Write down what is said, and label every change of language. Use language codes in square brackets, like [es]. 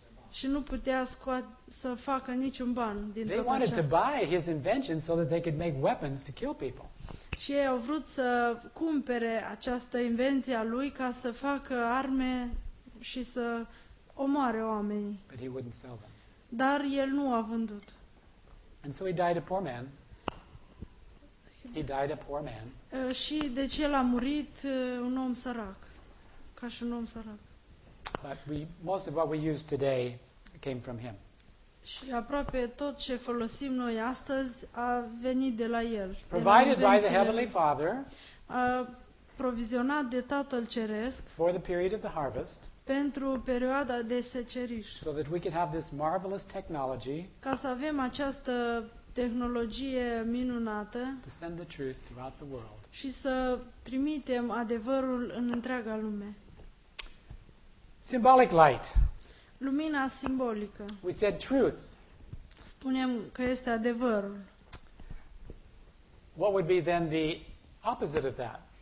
[ro] Și nu putea să facă niciun ban din tot aceasta. [en] They wanted to buy his invention so that they could make weapons to kill people. [ro] Și ei au vrut să cumpere această invenție a lui ca să facă arme și să omoare oamenii. [en] But he wouldn't sell them. [ro] Dar el nu a vândut. [en] And so he died a poor man. He died a poor man. [ro] Și deci el a murit un om sărac. Ca și un om sărac. [en] But most of what we use today came from him. [ro] Și aproape tot ce folosim noi astăzi a venit de la el. [en] Provided by the Heavenly Father. [ro] Provizionat de Tatăl Ceresc. [en] For the period of the harvest. [ro] Pentru perioada de seceriș. [en] So that we could have this marvelous technology. [ro] Ca să avem această tehnologie minunată. [en] To send the truth throughout the world. [ro] Și să trimitem adevărul în întreaga lume. [en] Symbolic light. [ro] Lumina simbolică. [en] We said truth. [ro] Spunem că este adevărul. [en] What would be then the opposite of that?